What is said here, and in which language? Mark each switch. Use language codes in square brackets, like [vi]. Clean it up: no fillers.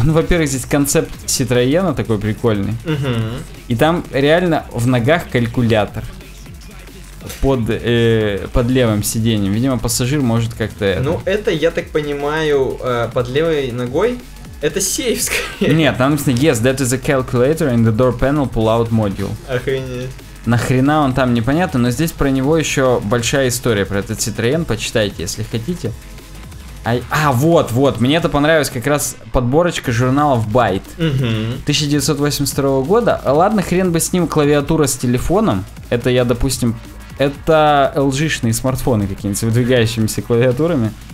[ru] Ну, во-первых, здесь концепт Ситроена такой прикольный. Угу. И там реально в ногах калькулятор под, под левым сиденьем. Видимо, пассажир может как-то... Ну, это, я так понимаю, под левой ногой? Это сейф, скорее. Нет, там написано, [en] yes, that is a calculator in the door panel pull-out module. [ru] Охренеть. Нахрена он там, непонятно, но здесь про него еще большая история, про этот Citroёn, почитайте, если хотите. А, вот, вот, мне это понравилось, как раз подборочка журналов Byte. 1982 года, ладно, хрен бы с ним, клавиатура с телефоном, это я, допустим, это LG-шные смартфоны какие-нибудь с выдвигающимися клавиатурами.